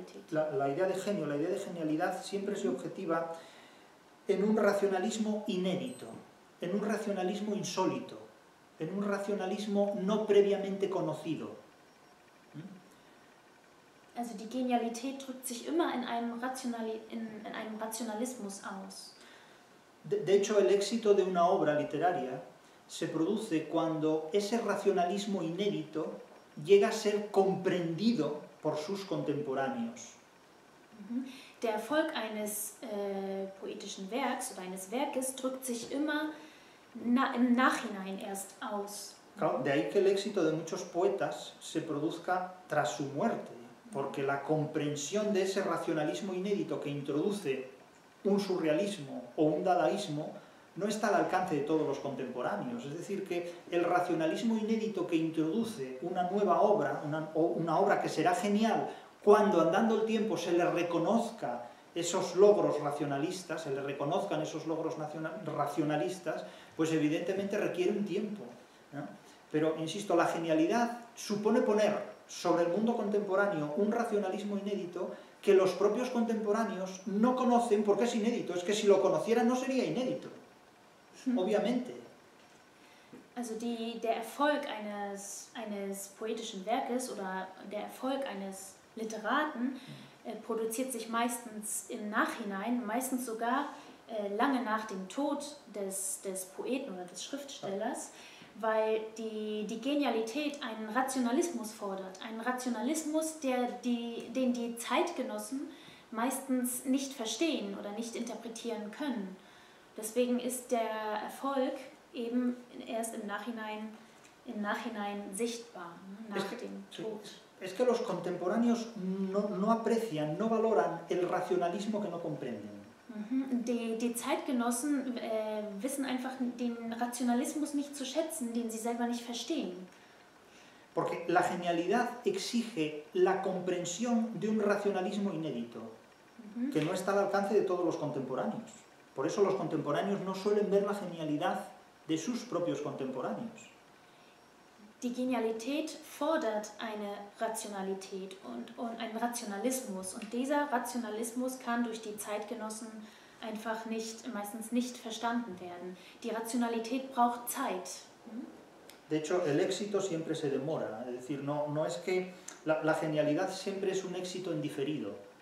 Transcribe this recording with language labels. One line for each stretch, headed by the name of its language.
Spanish: La idea de genio, la idea de genialidad siempre se objetiva en un racionalismo inédito, en un racionalismo insólito, en un racionalismo no previamente conocido.
German: Also die Genialität drückt sich immer in einem Rationalismus aus.
Spanish: De hecho, el éxito de una obra literaria se produce cuando ese racionalismo inédito llega a ser comprendido por sus contemporáneos.
German: Der Erfolg eines poetischen Werks oder eines Werkes drückt sich immer im Nachhinein erst aus.
Spanish: Claro, de ahí que el éxito de muchos poetas se produzca tras su muerte, porque la comprensión de ese racionalismo inédito que introduce un surrealismo o un dadaísmo no está al alcance de todos los contemporáneos. Es decir, que el racionalismo inédito que introduce una nueva obra, una obra que será genial, cuando andando el tiempo se le reconozca esos logros racionalistas, se le reconozcan esos logros racionalistas, pues evidentemente requiere un tiempo, ¿no? Pero, insisto, la genialidad supone poner sobre el mundo contemporáneo un racionalismo inédito que los propios contemporáneos no conocen porque es inédito. Es que si lo conocieran no sería inédito. Obviamente.
German: Also der Erfolg eines poetischen Werkes oder der Erfolg eines Literaten produziert sich meistens im Nachhinein, meistens sogar lange nach dem Tod des Poeten oder des Schriftstellers, weil die Genialität einen Rationalismus fordert, einen Rationalismus, den die Zeitgenossen meistens nicht verstehen oder nicht interpretieren können. Deswegen ist der Erfolg eben erst im Nachhinein sichtbar, nach dem Tod.
Spanish: Es que los contemporáneos no aprecian, no valoran el racionalismo que no comprenden.
German: Die Zeitgenossen wissen einfach den Rationalismus nicht zu schätzen, den sie selber nicht verstehen.
Spanish: Porque la genialidad exige la comprensión de un racionalismo inédito, que no está al alcance de todos los contemporáneos. Por eso los contemporáneos no suelen ver la genialidad de sus propios contemporáneos.
German: Die Genialität fordert eine Rationalität und einen Rationalismus. Und dieser Rationalismus kann durch die Zeitgenossen einfach nicht, meistens nicht verstanden werden. Die Rationalität braucht Zeit.
Spanish: De hecho, el éxito siempre se demora. Es decir, no, no es que la genialidad siempre es un éxito en diferido.